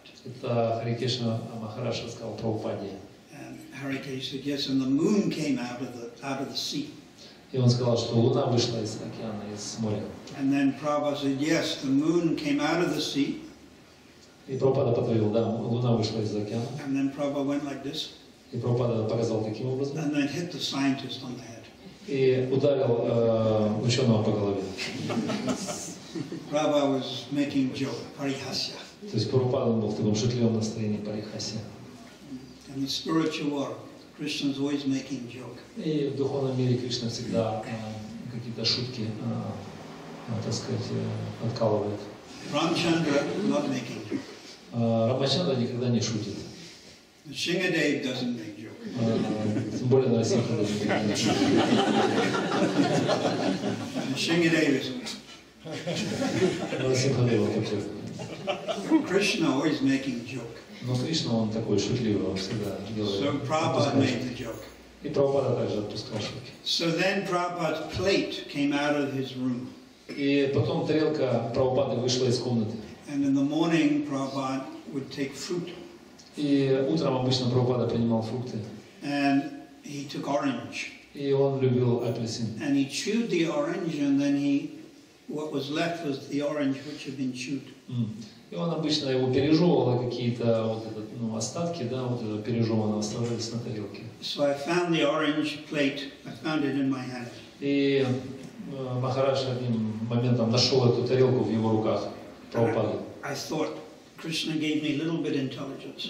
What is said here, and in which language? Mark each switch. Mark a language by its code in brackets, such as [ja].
[ru] Это Хари Кеш Махарадж сказал Прабхупаде. [en] And Hari Kesh said yes, and the moon came out of the sea. [ru] И он сказал, что луна вышла из океана, из моря. [en] And then Prabhupada said yes, the moon came out of the sea. [ru] И Прабхупада подтвердил, да, луна вышла из океана. [en] And then Prabhupada went like this. [ru] И Прабхупада показал таким образом. [en] And then hit the scientist on the head. [ru] И ударил ученого по голове. [en] Prabhupada was making joke, парихасья. [ru] То есть Прабхупада был в таком шутливом настроении, парихасья. [en] In the spiritual world, Krishna's always making joke. [ru] И в духовном мире Кришна всегда какие-то шутки, так сказать, откалывает. [en] Рамачандра not making joke. [ru] Рамачандра никогда не шутит. [en] Шингадев doesn't make jokes. [ru] Тем более Нарасимха даже не шутит. [en] Шингадев is. [ru] Нарасимха Дева такой. [en] Krishna always making joke. [ru] Но Кришна он такой шутливый, он всегда делает. [en] So Prabhupada made the joke. [ru] И Прабхупада также отпускал шутки. [en] So then Prabhupada's plate came out of his room. [ru] И потом тарелка Прабхупады вышла из комнаты. [en] And in the morning, Prabhupada would take fruit. [ru] И утром обычно Прабхупада принимал фрукты. [en] And he took orange. [ru] И он любил апельсин. [en] And he chewed the orange, and then what was left was the orange which had been chewed. [ru] И он обычно его пережевывал, какие-то вот этот, ну, остатки, да, вот это пережеванное оставались на тарелке. [en] So I found the orange plate. I found it in my hand. [ru] И Махарадж одним моментом нашел эту тарелку в его руках. [en] I thought Krishna gave me a little bit of intelligence.